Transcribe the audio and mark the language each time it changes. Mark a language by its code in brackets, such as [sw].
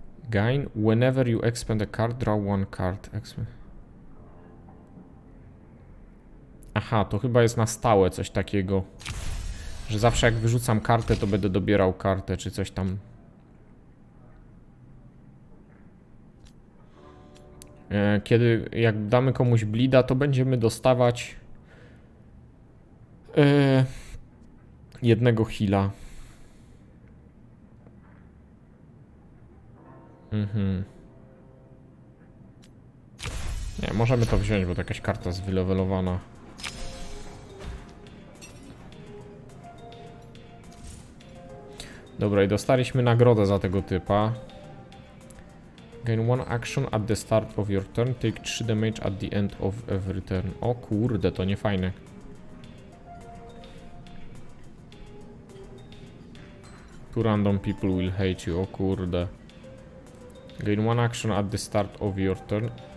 [en] Gain, whenever you expend a card, draw one card. [pl] Aha, to chyba jest na stałe coś takiego. Że zawsze jak wyrzucam kartę, to będę dobierał kartę, czy coś tam. Kiedy, jak damy komuś blida, to będziemy dostawać... jednego heala. Nie, możemy to wziąć, bo to jakaś karta zwylewelowana. Dobra, i dostaliśmy nagrodę za tego typa. [en] Gain one action at the start of your turn, take 3 damage at the end of every turn. [pl] O kurde, to nie fajne. [en] Two random people will hate you, [pl] o kurde. [en] Gain one action at the start of your turn.